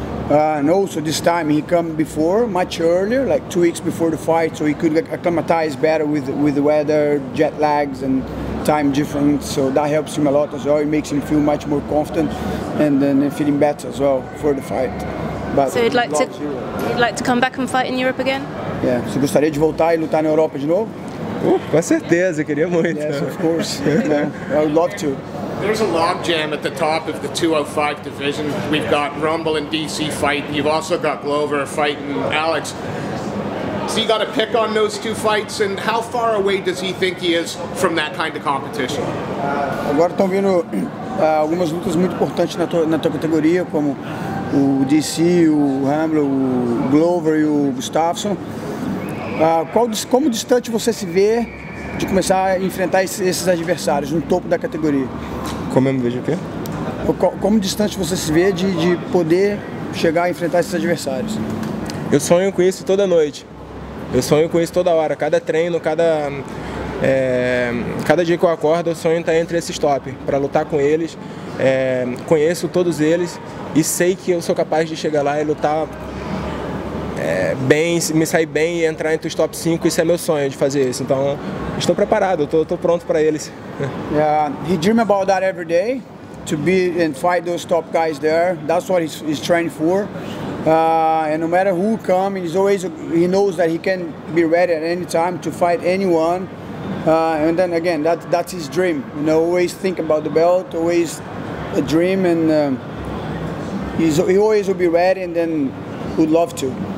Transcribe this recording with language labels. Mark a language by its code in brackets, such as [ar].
[en] And also this time he came before, much earlier, like 2 weeks before the fight, so he could acclimatize better with the weather, jet lags, and time difference. So that helps him a lot as well. It makes him feel much more confident, and then feeling better as well for the fight. But so he'd like to come back and fight in Europe again? Yeah. [pt] Você gostaria de voltar e lutar na Europa de novo? Com certeza, eu queria muito. [en] Yes, of course. Yeah. I would love to. There's a log jam at the top of the 205 division. We've got Rumble and DC fighting. You've also got Glover fighting Alex. Has he got a pick on those two fights, and how far away does he think he is from that kind of competition? [pt] Agora estão vindo algumas lutas muito importantes na tua categoria, como o DC, o Hamlet, o Glover e o Gustafsson. Como distante você se vê de começar a enfrentar esses adversários no topo da categoria? Como eu me vejo o quê? Como distante você se vê de poder chegar a enfrentar esses adversários? Eu sonho com isso toda noite. Eu sonho com isso toda hora. Cada treino, cada dia que eu acordo, eu sonho estar entre esses top, para lutar com eles. Conheço todos eles e sei que eu sou capaz de chegar lá e lutar bem, me sair bem e entrar entre os top 5. Isso é meu sonho, de fazer isso. Então, estou preparado, estou pronto para eles. [en] He dream about that every day, to be and fight those top guys there. That's what he's training for. And no matter who come, he knows that he can be ready at any time to fight anyone. And then again, that's his dream. You know, always think about the belt, always a dream, and he always will be ready, and then would love to.